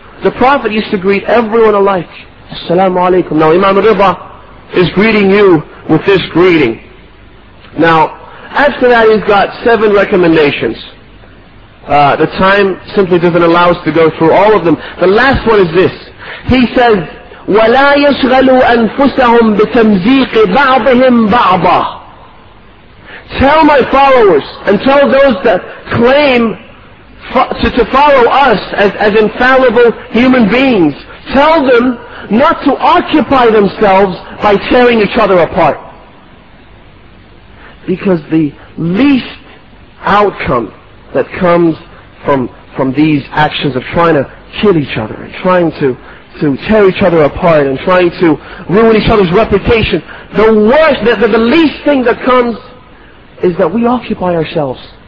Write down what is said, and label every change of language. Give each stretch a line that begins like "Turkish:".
English: The Prophet used to greet everyone alike. Assalamu alaikum. Now Imam al-Ridha is greeting you with this greeting. Now, after that he's got seven recommendations. The time simply doesn't allow us to go through all of them. The last one is this. He says,
Arabic: وَلَا يَشْغَلُوا أَنفُسَهُمْ بِتَمْزِيقِ بَعْضِهِمْ بَعْضًا.
English: Tell my followers, and tell those that claim to follow us as infallible human beings, tell them not to occupy themselves by tearing each other apart. Because the least outcome that comes from these actions of trying to kill each other and trying to tear each other apart and trying to ruin each other's reputation, the worst, the least thing that comes is that we occupy ourselves.